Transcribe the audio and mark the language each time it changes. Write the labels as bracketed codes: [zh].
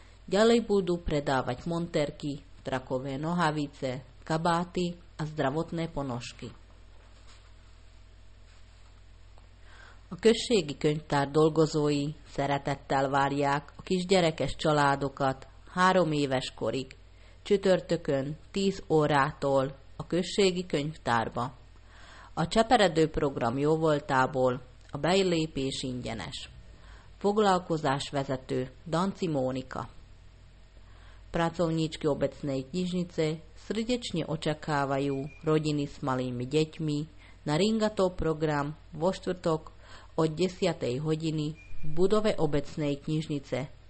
[sk] Ďalej budú predávať monterky, trakové nohavice, kabáty a zdravotné ponožky. [hu] A községi könyvtár dolgozói szeretettel várják a kisgyerekes családokat 3 éves korig, csütörtökön 10:00-tól a községi könyvtárba. A cseperedő program jóvoltából a belépés ingyenes. Foglalkozásvezető Danci Mónika. [sk] Pracovníčky obecnej knižnice srdečne očakávajú rodiny s malými deťmi na Ringato program vo štvrtok od 10:00 hodiny v budove obecnej knižnice.